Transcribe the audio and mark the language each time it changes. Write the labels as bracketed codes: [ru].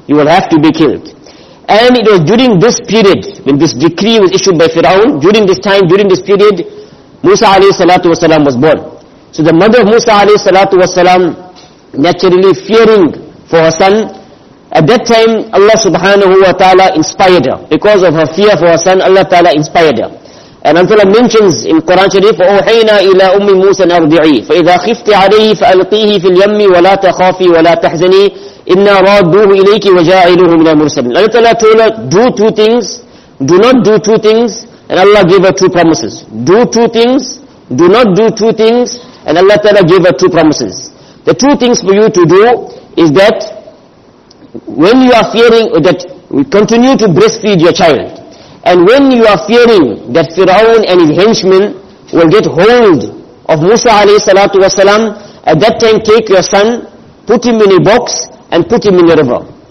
[en] You will have to be killed. And it was during this period, when this decree was issued by Firaun, during this time, during this period, Musa alayhi salatu wasalam was born. So the mother of Musa alayhi salatu wasalam, naturally fearing for her son, at that time Allah subhanahu wa ta'ala inspired her. Because of her fear for her son, Allah ta'ala inspired her. And Allah mentions in Quran Sharif, [ar] فَأُوحَيْنَا إِلَىٰ أُمِّ مُوسَىٰ أَرْضِعِي فَإِذَا خِفْتِ عَلَيْهِ فَأَلْقِيهِ فِي الْيَمِّ وَلَا تَخَافِي وَلَا تَحْزَنِي إِنَّا رَادُّوهُ إِلَيْكِ وَجَاعِلُهُ مِنَ الْمُرْسَلِينَ. [en] Allah ta'ala told her, do two things, do not do two things, and Allah gave her two promises. Do two things, do not do two things, and Allah ta'ala gave her two promises. The two things for you to do is that when you are fearing that we continue to breastfeed your child, and when you are fearing that Firaun and his henchmen will get hold of Musa alayhi salatu wasalam, at that time take your son, put him in a box, and put him in the river.